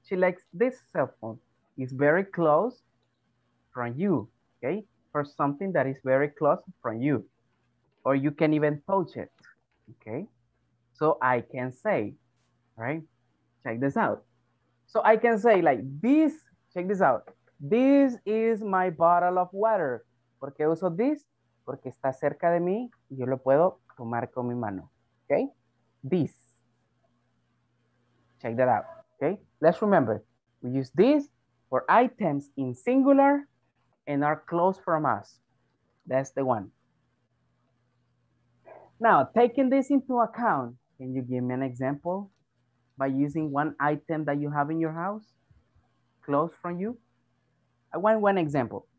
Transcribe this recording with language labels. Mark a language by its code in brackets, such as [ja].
[en] She likes this cell phone. It's very close from you, okay, for something that is very close from you. Or you can even touch it, okay? So I can say, right? Check this out. So I can say like this, check this out. This is my bottle of water. ¿Por qué uso this? [es] Porque está cerca de mí y yo lo puedo tomar con mi mano, okay? [en] This. Check that out, okay? Let's remember, we use this for items in singular and are close from us. That's the one. Now, taking this into account, can you give me an example by using one item that you have in your house close from you? I want one example.